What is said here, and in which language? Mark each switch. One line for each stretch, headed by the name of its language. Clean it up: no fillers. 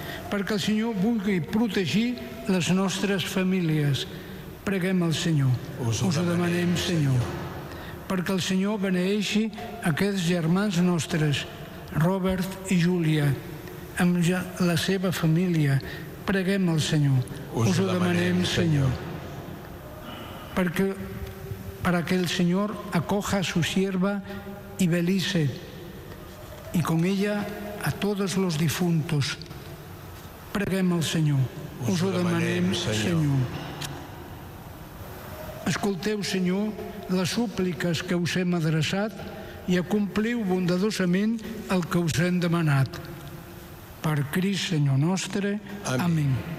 Catalan: Perquè el Senyor vulgui protegir les nostres famílies, preguem al Senyor. Us ho demanem, Senyor. Perquè el Senyor beneeixi aquests germans nostres, Robert i Júlia, amb la seva família, preguem al Senyor. Us ho demanem, Senyor.
Spanish: Perquè el Senyor acoja a su sierva y Belice y con ella a todos los difuntos, preguem al Senyor.
Catalan: Us ho demanem, Senyor. Escolteu, Senyor, les súpliques que us hem adreçat i acompliu bondadosament el que us hem demanat. Per Crist, Senyor nostre. Amén.